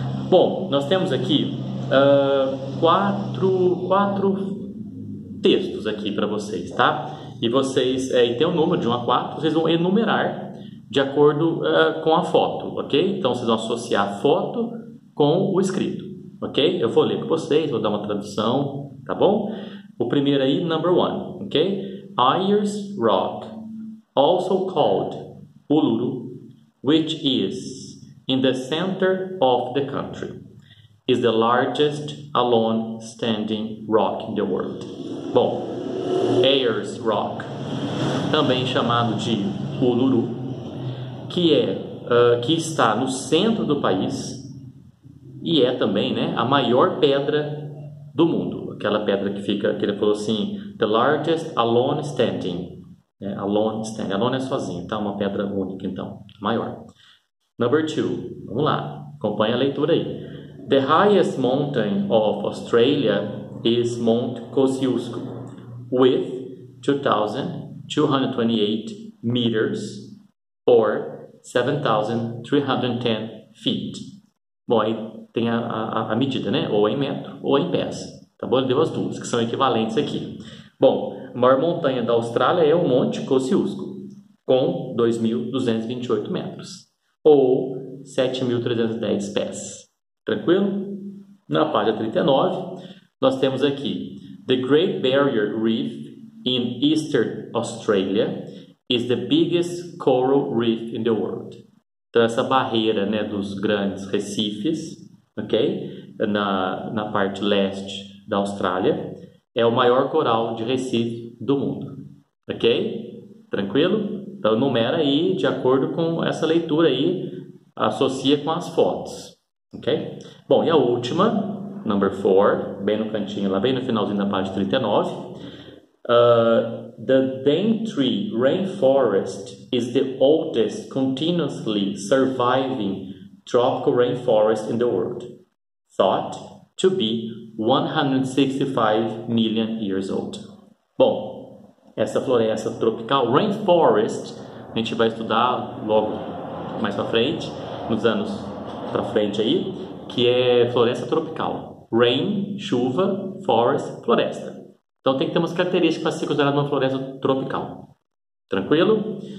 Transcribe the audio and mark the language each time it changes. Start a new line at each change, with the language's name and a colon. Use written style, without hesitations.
Portuguese: Bom, nós temos aqui quatro textos aqui para vocês, tá? E vocês, tem um número de 1 a 4, vocês vão enumerar de acordo com a foto, ok? Então, vocês vão associar a foto com o escrito, ok? Eu vou ler para vocês, vou dar uma tradução, tá bom? O primeiro aí,
English: number one,
Portuguese: ok?
English: Ayers Rock, also called Uluru, which is in the center of the country, is the largest alone standing rock in the world.
Portuguese: Bom, Ayers Rock, também chamado de Uluru, que está no centro do país e é também, né, a maior pedra do mundo. Aquela pedra que fica, que ele falou assim,
English: the largest alone standing.
Portuguese: É,
English: alone standing.
Portuguese: Alone é sozinho, tá? Uma pedra única, então. Maior.
English: Number two.
Portuguese: Vamos lá. Acompanha a leitura aí.
English: The highest mountain of Australia is Mount Kosciuszko, with 2,228 meters or 7,310 feet.
Portuguese: Bom, aí tem a medida, né? Ou em metro ou em pés. Tá bom? Ele deu as duas, que são equivalentes aqui. Bom, a maior montanha da Austrália é o Monte Kosciuszko, com 2.228 metros, ou 7.310 pés. Tranquilo? Na página 39, nós temos aqui:
English: The Great Barrier Reef in Eastern Australia is the biggest coral reef in the world.
Portuguese: Então, essa barreira, né, dos grandes recifes, ok? Na parte leste da Austrália, é o maior coral de recife do mundo. Ok? Tranquilo? Então, numera aí de acordo com essa leitura aí, associa com as fotos. Ok? Bom, e a última,
English: number 4,
Portuguese: bem no cantinho, lá bem no finalzinho da página 39.
English: The Daintree Rainforest is the oldest continuously surviving tropical rainforest in the world, thought to be 165 million years old.
Portuguese: Bom, essa floresta tropical, rainforest, a gente vai estudar logo mais pra frente, nos anos pra frente aí, que é floresta tropical. Rain, chuva, forest, floresta. Então tem que ter umas características para ser considerada uma floresta tropical. Tranquilo?